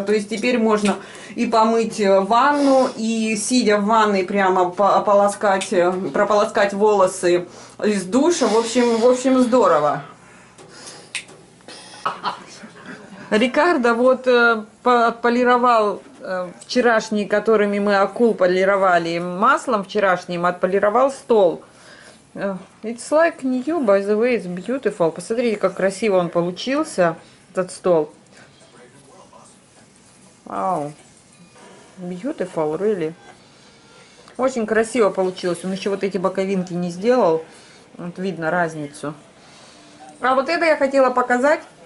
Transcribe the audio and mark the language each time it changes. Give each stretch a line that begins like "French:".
Russian: То есть теперь можно и помыть ванну, и сидя в ванной прямо прополоскать волосы из душа. В общем, здорово. Рикардо вот отполировал вчерашний, которыми мы акул полировали маслом вчерашним, отполировал стол.
English: It's like new, by the way, it's beautiful.
Russian: Посмотрите, как красиво он получился, этот стол.
English: Вау. Beautiful, really.
Russian: Очень красиво получилось. Он еще вот эти боковинки не сделал. Вот видно разницу. А вот это я хотела показать.